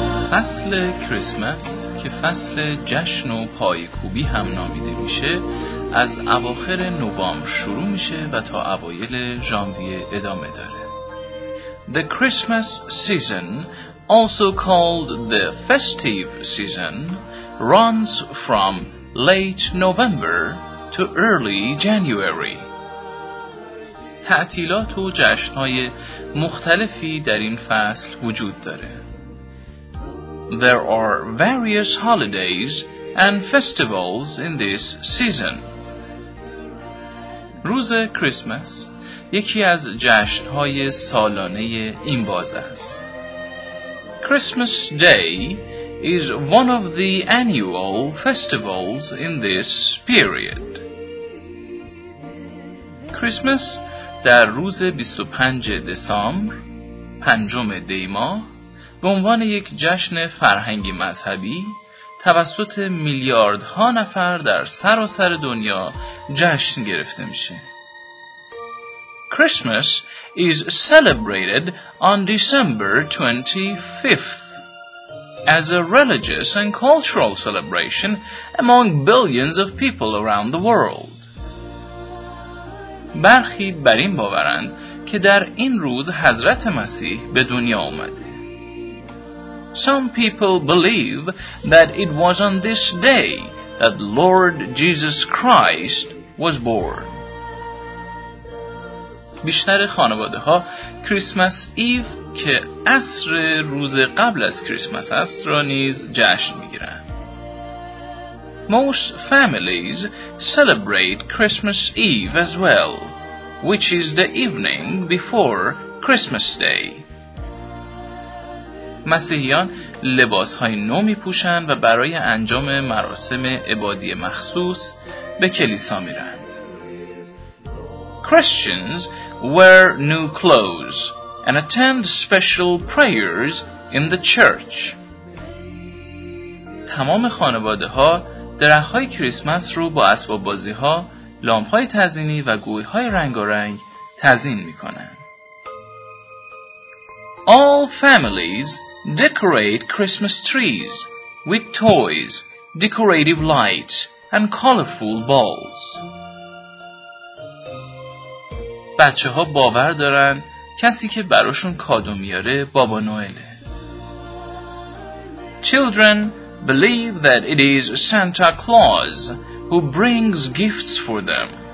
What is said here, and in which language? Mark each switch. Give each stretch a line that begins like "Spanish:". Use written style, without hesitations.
Persian: فصل کریسمس که فصل جشن و پایکوبی هم نامیده میشه، از اواخر نوامبر شروع میشه و تا اوایل ژانویه ادامه داره.
English: The Christmas season, also called the festive season, runs from late November to early January.
Persian: تعطیلات و جشن‌های مختلفی در این فصل وجود داره.
English: There are various holidays and festivals in this season.
Persian: روز کریسمس یکی از جشن‌های سالانه این باز است.
English: Christmas Day is one of the annual festivals in this period.
Persian: کریسمس در روز 25 دسامبر، پنجم دی ماه، به عنوان یک جشن فرهنگی مذهبی توسط میلیاردها نفر در سراسر دنیا جشن گرفته میشه.
English: Christmas is celebrated on December 25th as a religious and cultural celebration among billions of people around the world.
Persian: برخی بر این باورند که در این روز حضرت مسیح به دنیا آمد.
English: Some people believe that it was on this day that Lord Jesus Christ was born.
Persian: بیشتر خانواده ها کریسمس ایو که عصر روز قبل از کریسمس است را نیز جشن میگیرند.
English: Most families celebrate Christmas Eve as well, which is the evening before Christmas Day.
Persian: مسیحیان لباس‌های نو می‌پوشن و برای انجام مراسم عبادی مخصوص به کلیسا میرن.
English: Christians wear new clothes and attend special prayers in the church.
Persian: تمام خانواده‌ها درخت‌های کریسمس رو با اسباب بازی‌ها، لامپ‌های تزیینی و گوی‌های رنگارنگ تزیین می‌کنن.
English: All families decorate Christmas trees with toys, decorative lights, and colorful balls.
Persian: بچه‌ها باور دارن کسی که براشون کادو میاره بابا نوئله.
English: Children believe that it is Santa Claus who brings gifts for them.